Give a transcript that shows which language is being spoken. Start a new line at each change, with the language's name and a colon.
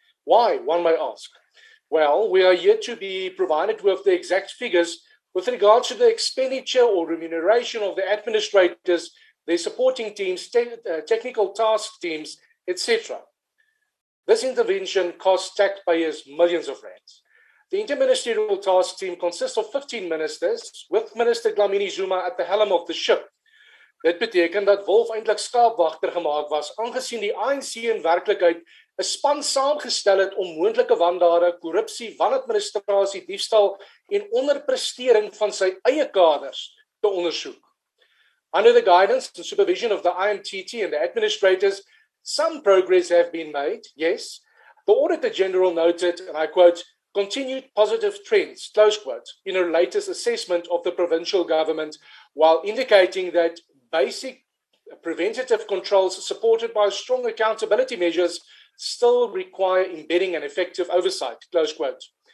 English: Why, one may ask? Well, we are yet to be provided with the exact figures with regards to the expenditure or remuneration of the administrators, their supporting teams, technical task teams, etc. This intervention costs taxpayers millions of rands. The interministerial task team consists of 15 ministers, with Minister Dlamini Zuma at the helm of the ship.
Afrikaans: Dit beteken dat Wolf eintlik skaapwagter gemaak was, aangesien die ANC in werklikheid 'n span saamgestel het om moontlike wandade, korrupsie, wanadministrasie, diefstal en onderprestering van sy eie kaders te ondersoek.
English: Under the guidance and supervision of the IMTT and the administrators, some progress have been made, yes. The Auditor General noted, and I quote, continued positive trends, close quote, in her latest assessment of the provincial government, while indicating that basic preventative controls supported by strong accountability measures still require embedding and effective oversight, close quote.